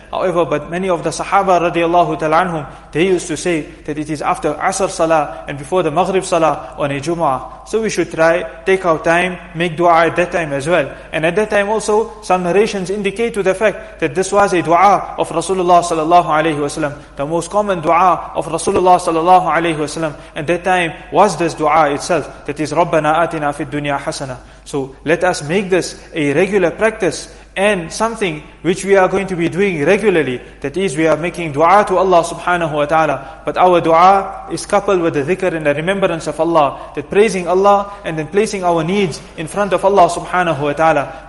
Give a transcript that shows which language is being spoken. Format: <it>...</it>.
<en>However, but many of the Sahaba radiallahu ta'ala anhum, they used to say that it is after Asr Salah and before the Maghrib Salah on a Jumu'ah. So we should try, take our time, make du'a at that time as well. And at that time also, some narrations indicate to the fact that this was a du'a of Rasulullah sallallahu alayhi wa sallam. The most common du'a of Rasulullah sallallahu alayhi wa sallam at that time was this du'a itself.</en> <ar>That is, رَبَّنَا آتِنَا فِي الدُّنْيَا حَسَنَةً.</ar> <en>So let us make this a regular practice and something which we are going to be doing regularly. That is, we are making dua to Allah subhanahu wa ta'ala. But our dua is coupled with the dhikr and the remembrance of Allah. That praising Allah and then placing our needs in front of Allah subhanahu wa ta'ala.</en>